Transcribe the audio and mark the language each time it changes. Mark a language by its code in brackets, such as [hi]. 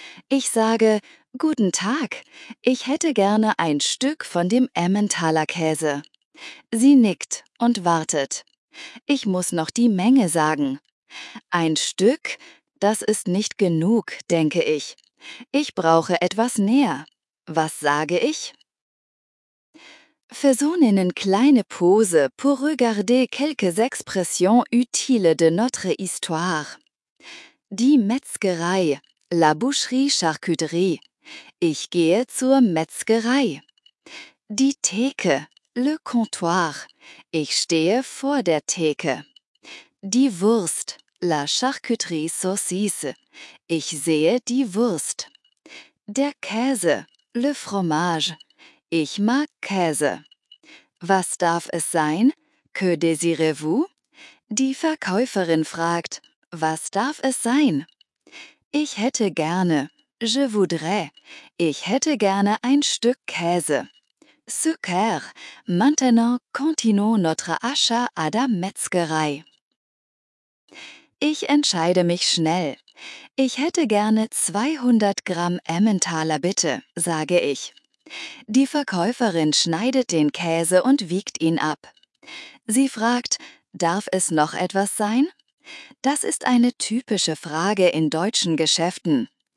[de] Ich sage, "Guten Tag, ich hätte gerne ein Stück von dem Emmentaler Käse." Sie nickt und wartet. Ich muss noch die Menge sagen. Ein Stück, das ist nicht genug, denke ich. Ich brauche etwas mehr. Was sage ich? [fr] Faisons une kleine pause pour regarder quelques expressions utiles de notre histoire. [de] Die Metzgerei, [fr] la boucherie charcuterie. [de] Ich gehe zur Metzgerei. Die Theke. [fr] Le comptoir. [de] Ich stehe vor der Theke. Die Wurst. [fr] La charcuterie saucisse. [de] Ich sehe die Wurst. Der Käse. [fr] Le fromage. [de] Ich mag Käse. Was darf es sein? [fr] Que désirez-vous? [de] Die Verkäuferin fragt, was darf es sein? Ich hätte gerne. [fr] Je voudrais. [de] Ich hätte gerne ein Stück Käse. Super! [fr] Maintenant continuons notre achat à la Metzgerei. [de] Ich entscheide mich schnell. Ich hätte gerne 200 Gramm Emmentaler, bitte, sage ich. Die Verkäuferin schneidet den Käse und wiegt ihn ab. Sie fragt, darf es noch etwas sein? Das ist eine typische Frage in deutschen Geschäften.